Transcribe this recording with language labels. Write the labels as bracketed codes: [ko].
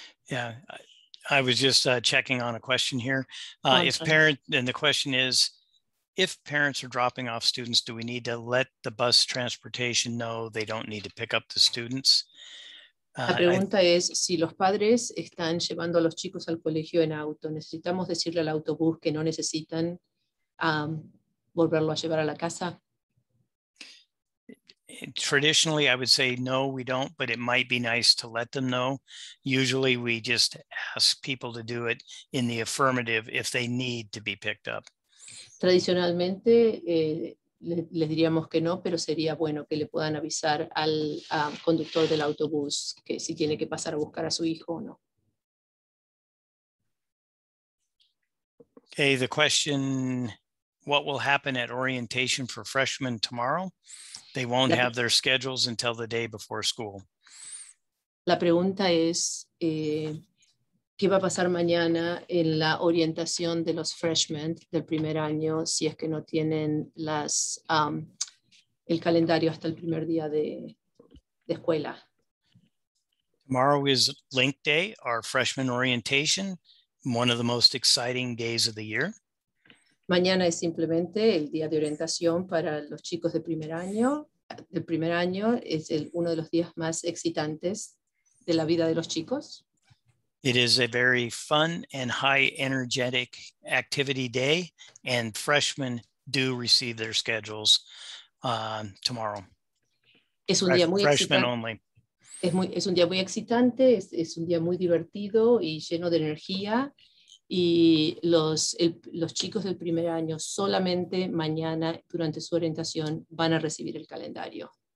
[en] Yeah, I was just checking on a question here. And the question is, if parents are dropping off students, do we need to let the bus transportation know they don't need to pick up the students? [es] La pregunta es, si los padres están llevando a los chicos al colegio en auto, ¿necesitamos decirle al autobús que no necesitan volverlo a llevar a la casa? [en] Traditionally, I would say, no, we don't, but it might be nice to let them know. Usually, we just ask people to do it in the affirmative if they need to be picked up. [es] Tradicionalmente, les diríamos que no, pero sería bueno que le puedan avisar al conductor del autobús que si tiene que pasar a buscar a su hijo o no. [en] Okay, the question, what will happen at orientation for freshmen tomorrow? They won't have their schedules until the day before school. [es] La pregunta es, ¿qué va a pasar mañana en la orientación de los freshmen del primer año si es que no tienen las el calendario hasta el primer día de escuela? [en] Tomorrow is Link Day, our freshman orientation, one of the most exciting days of the year. [es] Mañana es simplemente el día de orientación para los chicos de primer año. El primer año es uno de los días más excitantes de la vida de los chicos. [en] It is a very fun and high energetic activity day, and freshmen do receive their schedules tomorrow. [es] Es un día muy [en] freshmen only. [es] Es un día muy excitante, es un día muy divertido y lleno de energía. Y los chicos del primer año solamente mañana durante su orientación van a recibir el calendario.